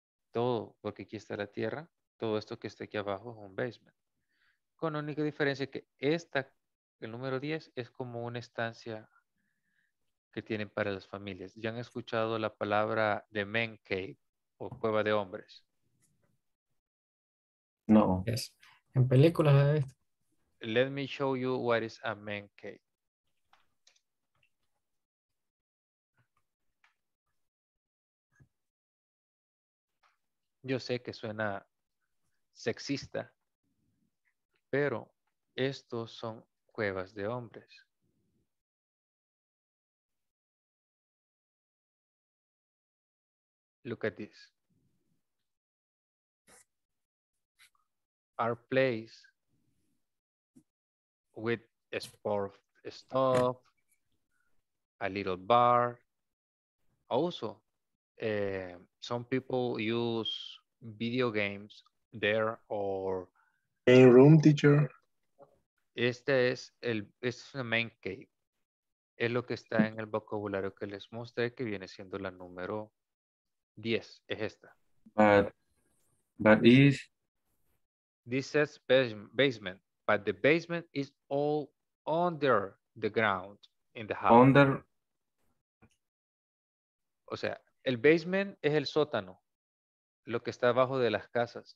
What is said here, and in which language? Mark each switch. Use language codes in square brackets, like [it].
[es] Todo, porque aquí está la tierra, todo esto que está aquí abajo es un basement. Con la única diferencia que esta, el número 10, es como una estancia que tienen para las familias. ¿Ya han escuchado la palabra de men cave o cueva de hombres? No. [en] Yes. [es] En películas. [en] Let me show you what is a men cave. [es] Yo sé que suena sexista, pero estos son cuevas de hombres. [en] Look at this. are placed with sport stuff, a little bar. Also, some people use video games there or main room, teacher. [es] Este es el, este es una main cave. Es lo que está en el vocabulario que les mostré, que viene siendo la número 10. Es esta. [en] But is this says basement, but the basement is all under the ground in the house. Under. [es] O sea, el basement es el sótano, lo que está abajo de las casas.